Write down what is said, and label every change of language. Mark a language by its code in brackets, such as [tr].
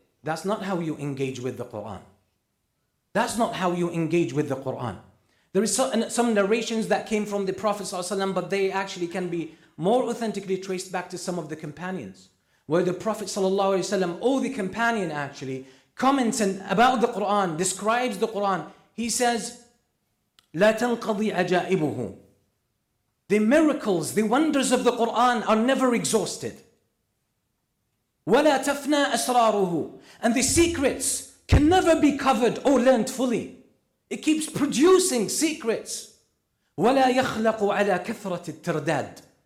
[en] That's not how you engage with the Quran. That's not how you engage with the Quran. There is some narrations that came from the Prophet ﷺ, but they actually can be more authentically traced back to some of the companions, where the Prophet ﷺ, or the companion actually, comments about the Quran, describes the Quran. He says, [ar] لَا تَنْقَضِي عَجَائِبُهُ. [en] The miracles, the wonders of the Quran are never exhausted. [ar] وَلَا تَفْنَى أَسْرَارُهُ. [en] And the secrets can never be covered or learned fully. It keeps producing secrets. [ar] وَلَا يَخْلَقُ عَلَى كَثْرَةِ التَّرْدَادِ.